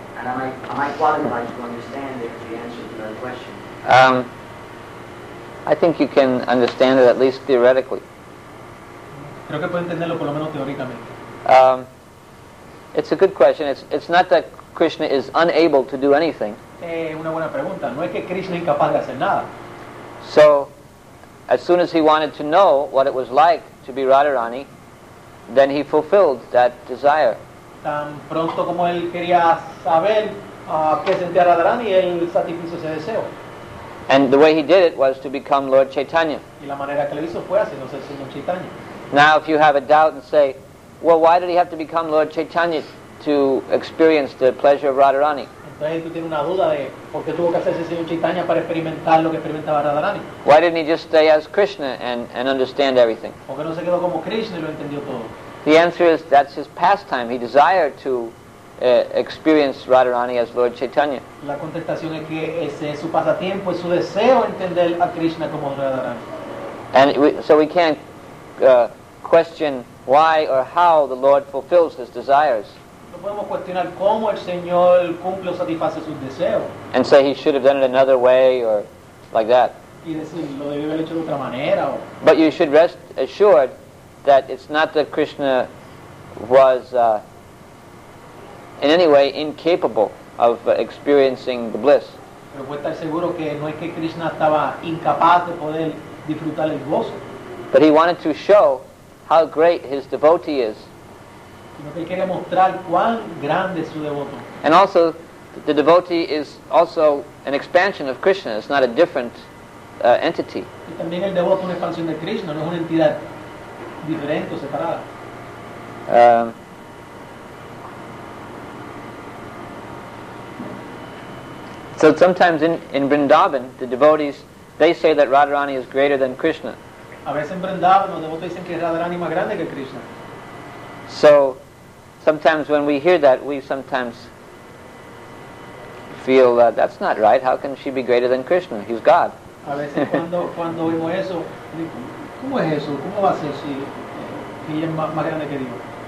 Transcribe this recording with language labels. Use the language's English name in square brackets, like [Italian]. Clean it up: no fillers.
[English] And am I qualified to understand the answer to that question? I think you can understand it at least theoretically. [Spanish] Creo que puedo entenderlo por lo menos teóricamente. [English] It's a good question. It's not that Krishna is unable to do anything. [Spanish] Una buena pregunta. No es que Krishna es incapaz de hacer nada. [English] So, as soon as he wanted to know what it was like to be Radharani, then he fulfilled that desire. [Spanish] Tan pronto como él quería saber qué sentía Radharani, él satisfizo ese deseo. [English] And the way he did it was to become Lord Chaitanya. [Spanish] Y la manera que lo hizo fue así, no sé, sino Chaitanya. [English] Now if you have a doubt and say, well, why did he have to become Lord Chaitanya to experience the pleasure of Radharani? [Spanish] Entonces tú tienes una duda de por qué tuvo que hacerse señor Chaitanya para experimentar lo que experimentaba Radharani. [English] Why didn't he just stay as Krishna and understand everything? [Spanish] ¿Por qué no se quedó como Krishna y lo entendió todo? [English] The answer is that's his pastime. He desired to experience Radharani as Lord Chaitanya. [Spanish] La contestación es que ese es su pasatiempo, es su deseo entender a Krishna como Radharani. [English] And so we can't question why or how the Lord fulfills his desires. [Spanish] No podemos cuestionar cómo el Señor cumple o satisface sus deseos. [English] And say he should have done it another way or like that. [Spanish] Y decir, lo debió haber hecho de otra manera. O... [English] But you should rest assured that it's not that Krishna was in any way incapable of experiencing the bliss. [Spanish] Pero puede estar seguro que no es que Krishna estaba incapaz de poder disfrutar el gozo. [English] But he wanted to show how great his devotee is. [Spanish] Sino que él quiere mostrar cuán grande es su devoto. [English] And also, the devotee is also an expansion of Krishna. It's not a different entity. [Spanish] Y también el devoto es una expansión de Krishna. No es una entidad diferente o separada. [English] So sometimes in Vrindavan, the devotees, they say that Radharani is greater than Krishna. [Spanish] A veces en Vrindavan, los devotos dicen que Radharani es más grande que Krishna. [English] So, sometimes when we hear that, we sometimes feel that that's not right. How can she be greater than Krishna? He's God. [Spanish] A veces cuando oímos eso, ¿cómo es eso? ¿Cómo va a ser si ella es más grande que Dios?